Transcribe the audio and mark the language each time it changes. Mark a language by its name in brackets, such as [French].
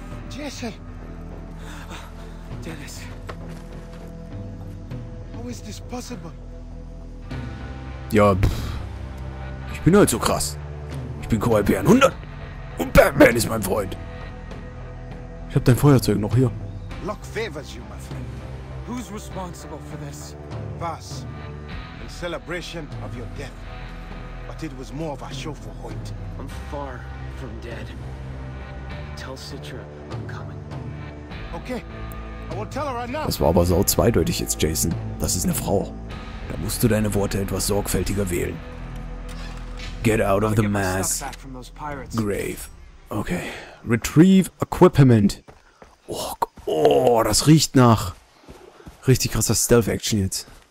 [English] Jesse! Dennis! How is this possible? [German] Ja, ich bin halt so krass. Ich bin Koalbären 100 und Batman ist mein Freund. Ich hab dein Feuerzeug noch hier. [English] Luck favors you, my friend. Who's responsible for this? [German] Was? [English] In celebration of your death. But it was more of a show for Hoyt. I'm far from dead. Tell Citra I'm coming. Okay, I will tell her right now. [German] Das war aber so zweideutig jetzt, Jason. Das ist eine Frau. Da musst du deine Worte etwas sorgfältiger wählen. [English] Get out of the mass. Grave. Okay. Retrieve equipment. [German] Oh, oh, das riecht nach richtig krasser Stealth-Action jetzt.